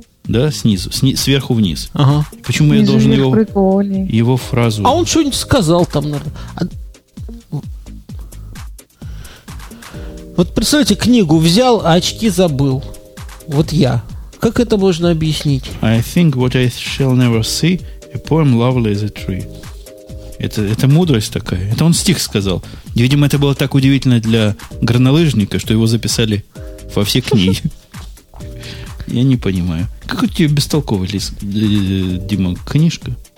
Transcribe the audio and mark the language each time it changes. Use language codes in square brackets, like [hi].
[ru] Да, снизу. Сверху вниз. Ага. Почему снизу я должен его фразу... А он что-нибудь сказал там, наверное. Вот представьте, книгу взял, а очки забыл. Вот я. Как это можно объяснить? [en] I think what I shall never see, a poem lovely as a tree. [ru] Это мудрость такая. Это он стих сказал. Видимо, это было так удивительно для горнолыжника, что его записали во все книги. Я не понимаю. Как у тебя бестолковый лист, Дима, книжка?